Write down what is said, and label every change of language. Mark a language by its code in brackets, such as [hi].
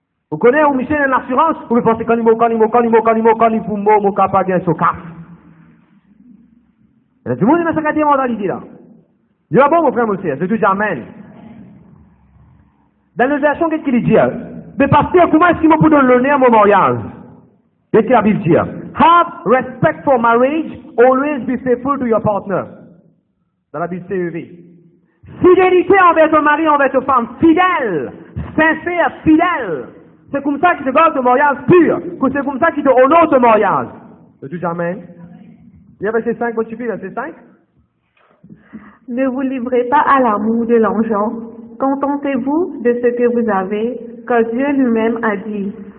[fr] Vous connaissez, vous mettez une assurance, vous pensez, quand il m'a dit, dans les versions, qu'est-ce qu'il dit? Mais pasteur, comment est-ce qu'il me peut donner l'honneur à mon mariage? Qu'est-ce qu'il a vu dire? [en] Have respect for marriage, always be faithful to your partner. [fr] Dans la Bible CEV. Fidélité envers ton mari, envers ta femme, fidèle, sincère, fidèle. C'est comme ça qu'il te garde ton mariage pur. C'est comme ça qu'il te honore ton mariage. Le tout jamais. Il y a verset 5, votre fille, verset 5. Ne vous livrez pas à l'amour de l'argent. Contentez-vous de ce que vous avez, que Dieu lui-même a dit.